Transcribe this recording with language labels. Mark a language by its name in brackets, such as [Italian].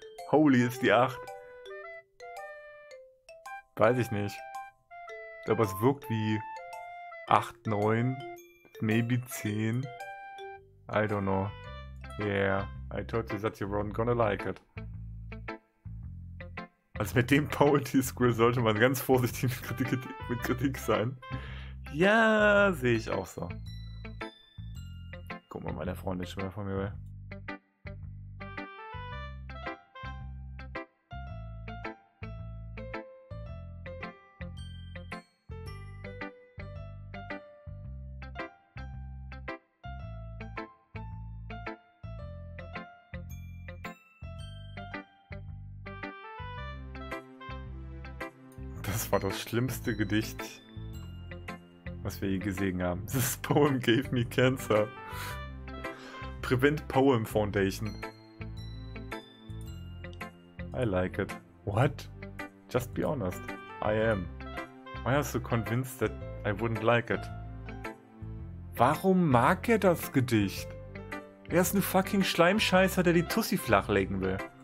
[German] Holy ist die 8. Weiß ich nicht. Aber es wirkt wie 8, 9, maybe 10. [English] I don't know. Yeah, I told you that you weren't gonna like it. [German] Also mit dem Poetry Score sollte man ganz vorsichtig mit Kritik sein. Ja, sehe ich auch so. Guck mal, meine Freundin ist schon mal von mir weg. Das war das schlimmste Gedicht, was wir je gesehen haben. [English] This poem gave me cancer. Prevent Poem Foundation. I like it. What? Just be honest. I am. Why are you so convinced that I wouldn't like it? [German] Warum mag er das Gedicht? Er ist ein fucking Schleimscheißer, der die Tussi flachlegen will.